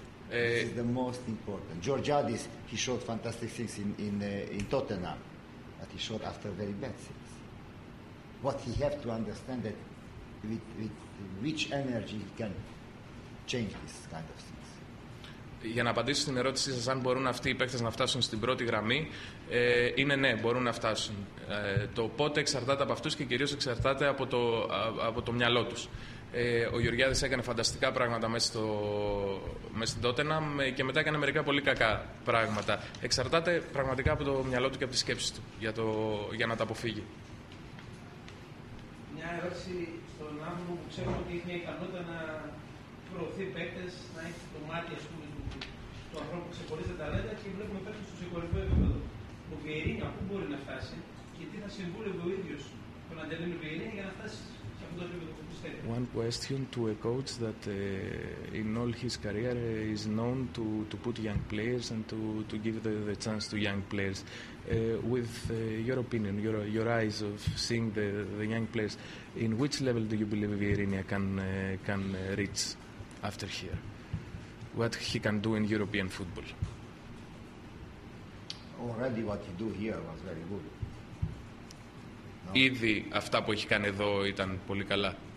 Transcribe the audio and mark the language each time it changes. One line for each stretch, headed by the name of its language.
English: This is the most important. Georgiadis, he showed fantastic things in Tottenham. But he showed after very bad things. What he have to understand that with which energy he can change this kind of things.
Greek: Για να απαντήσω στην ερώτησή σας, αν μπορούν αυτοί οι παίκτες να φτάσουν στην πρώτη γραμμή, είναι ναι, μπορούν να φτάσουν. Το πότε εξαρτάται από αυτούς και κυρίως εξαρτάται από το μυαλό τους. Ο Γεωργιάδης έκανε φανταστικά πράγματα μέσα στην Tottenham και μετά έκανε μερικά πολύ κακά πράγματα. Εξαρτάται πραγματικά από το μυαλό του και από τις σκέψεις του για να τα αποφύγει. Μια ερώτηση στον άνθρωπο που ξέρω ότι έχει μια ικανότητα να προωθεί παίκτες, να έχει το μάτι ας πούμε του ανθρώπου που ξεχωρίζει τα ταλέντα και βλέπουμε παίκτες στο συγκορυφαίο επίπεδο. Ο Βιερίνια πού μπορεί να φτάσει και τι θα συμβούλευε ο ίδιος τον Αντελίνο Βιερίνια για να φτάσει σε αυτό το επίπεδο που πιστεύει.
English: One question to a coach that in all his career is known to put young players and to give the chance to young players. With your opinion, your eyes of seeing the young players, in which level do you believe Vierinha can reach after here? What he can do in European football? Already what he do here was very good.
Greek: Ήδη αυτά που έχει κάνει εδώ ήταν πολύ καλά.